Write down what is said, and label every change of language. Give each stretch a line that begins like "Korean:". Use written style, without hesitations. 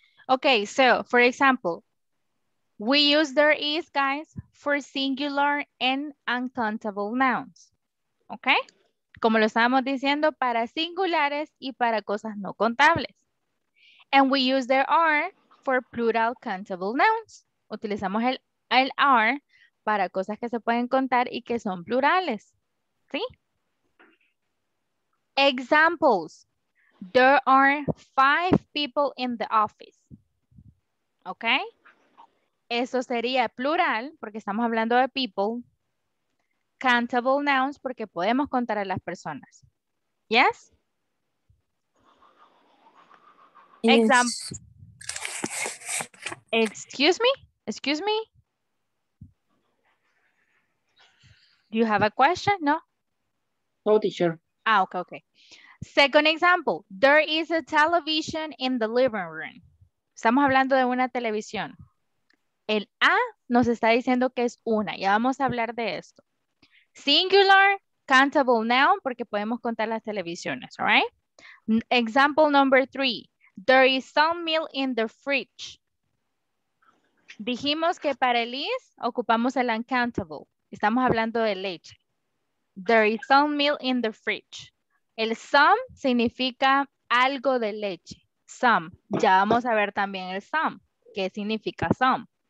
English: Okay, so for example, we use there is, guys, for singular and uncountable nouns. Okay?
Spanish: Como lo estábamos diciendo, para singulares y para cosas no contables.
English: And we use there are for plural countable nouns.
Spanish: Utilizamos el are para cosas que se pueden contar y que son plurales. ¿Sí?
English: Examples. There are 5 people in the office. ¿Ok?
Spanish: Eso sería plural, porque estamos hablando de people. Countable nouns, porque podemos contar a las personas. ¿Yes?
English: Yes. Example. Excuse me? Do you have a question? No? No, teacher. Ah, okay, okay. Second example, there is a television in the living room.
Spanish: Estamos hablando de una televisión. El A nos está diciendo que es una. Ya vamos a hablar de esto. Singular, countable noun, porque podemos contar las televisiones, all right?
English: Example number 3, there is some milk in the fridge.
Spanish: Dijimos que para el is ocupamos el uncountable. Estamos hablando de leche.
English: There is some milk in the fridge.
Spanish: El some significa algo de leche. Some. Ya vamos a ver también el some. ¿Qué significa some?